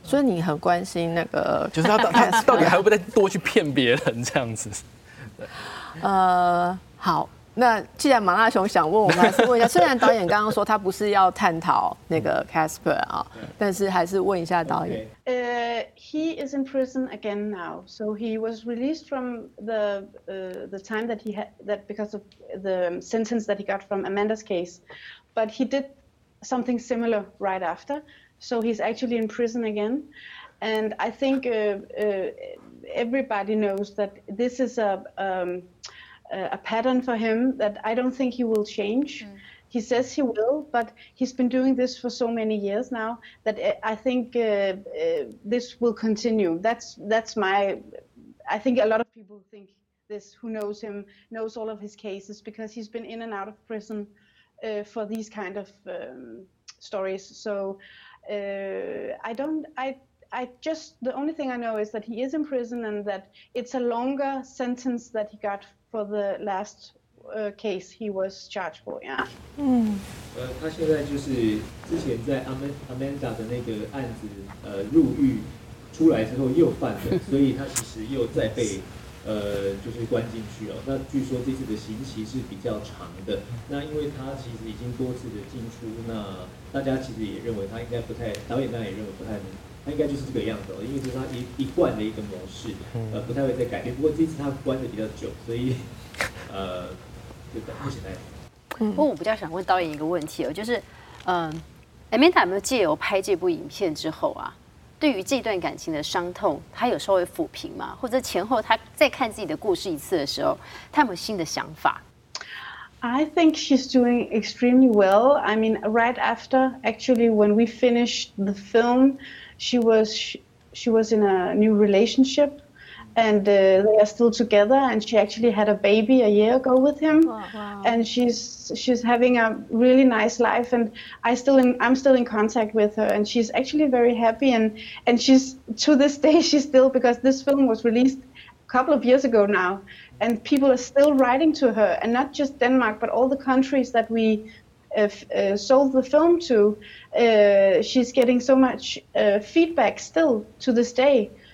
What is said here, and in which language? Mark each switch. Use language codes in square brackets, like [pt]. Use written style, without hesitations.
[zh] 所以你很关心那个，就是他到底还会不会再多去骗别人这样子？好，那既然马纳雄想问，我们还是问一下。虽然导演刚刚说他不是要探讨那个 Casper 啊，但是还是问一下导演。 [en] He is in prison again now, so he was released from the time that he had that because of the sentence that he got from Amanda's case, but he did. Something similar right after, so he's actually in prison again, and I think everybody knows that this is a pattern for him that I don't think he will change. Mm. He says he will, but he's been doing this for so many years now that I think this will continue. I think a lot of people think this who knows him knows all of his cases because he's been in and out of prison. For these kind of stories, so the only thing I know is that he is in prison and that it's a longer sentence that he got for the last case he was charged for. Yeah. [zh] 他现在就是之前在Amanda 的那个案子入狱出来之后又犯了，所以他其实又再被。就是关进去哦。那据说这次的刑期是比较长的。那因为他其实已经多次的进出，那大家其实也认为他应该不太，导演当然也认为不太能，他应该就是这个样子哦，因为这是他一贯的一个模式，不太会再改变。不过这次他关的比较久，所以就等目前来。不过我比较想问导演一个问题，就是Amanda 有没有借由拍这部影片之后啊，对于这段感情的伤痛他有稍微抚平吗？或者前后他再看自己的故事一次的时候他有没有新的想法？ [en] I think she's doing extremely well. I mean, right after, actually, when we finished the film, she was in a new relationship, and they are still together, and she actually had a baby a year ago with him. Wow. And she's having a really nice life, and I'm still in contact with her, and she's actually very happy, and she's, to this day, she's still, because this film was released a couple of years ago now, and people are still writing to her, and not just Denmark, but all the countries that we sold the film to, she's getting so much feedback still to this day.